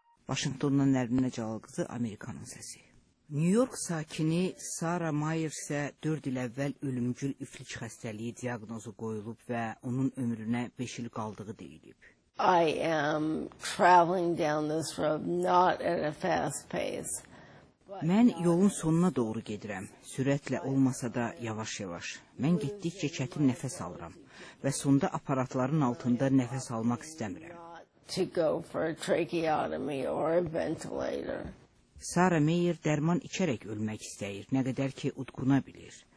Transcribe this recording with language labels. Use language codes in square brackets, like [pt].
[az] Vaşinqtondan Nərminə Cavalqızı, Amerikanın səsi. New York sakini Sarah Myers-ə 4 il əvvəl ölümcül iflic xəstəliyi diaqnozu qoyulub və onun ömrünə 5 il qaldığı deyilib. [en] I am traveling down this road not at a fast pace. [az] Mən yolun sonuna doğru gedirəm, sürətlə olmasa da yavaş-yavaş. Mən getdikcə çətin nəfəs alıram və sonda aparatların altında nəfəs almaq istəmirəm. [en] To go for a tracheotomy or a ventilator. [az] Sarah Mayer dərman içərək ölmək istəyir, nə qədər ki udquna bilir.